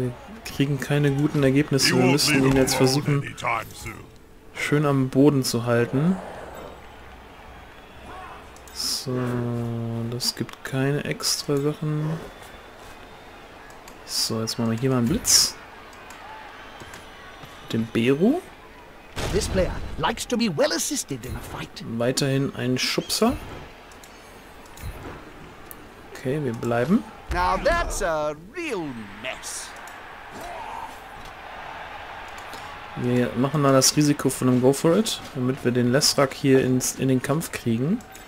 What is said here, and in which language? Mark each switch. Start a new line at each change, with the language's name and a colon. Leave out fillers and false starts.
German: Wir kriegen keine guten Ergebnisse. Wir müssen ihn jetzt versuchen, schön am Boden zu halten. So, das gibt keine extra Sachen. So, jetzt machen wir hier mal einen Blitz. Den Beru.
English: This player likes to be well assisted in a fight.
German: Weiterhin ein Schubser.
English: Okay,
German: wir bleiben.
English: Now that's a real mess.
German: Wir machen mal das Risiko von einem Go for it, damit wir den Lesrak hier in den Kampf kriegen.